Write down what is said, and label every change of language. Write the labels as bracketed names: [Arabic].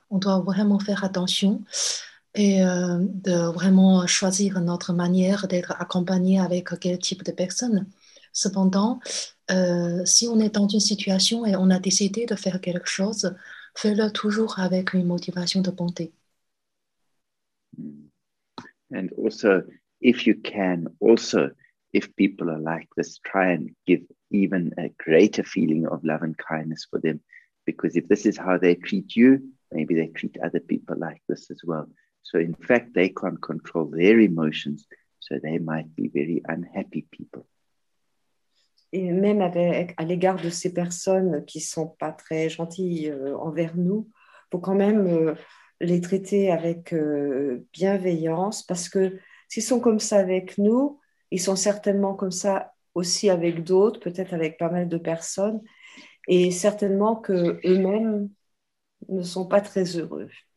[French] On doit vraiment faire attention et de vraiment choisir notre manière d'être accompagné avec quel type de personne. Cependant, si on est dans une situation et on a décidé de faire quelque chose, fais-le toujours avec une motivation de bonté. [English] And also, if you can, also, if people are like this, try and give even a greater feeling of love and kindness for them. Because if this is how they treat you, maybe they treat other people like this as well. So in fact, they can't control their emotions, so they might be very unhappy people. [French] Et même à l'égard de ces personnes qui sont pas très gentilles envers nous, faut quand même les traiter avec bienveillance, parce que s'ils sont comme ça avec nous, ils sont certainement comme ça aussi avec d'autres, peut-être avec pas mal de personnes, et certainement qu'eux-mêmes ne sont pas très heureux.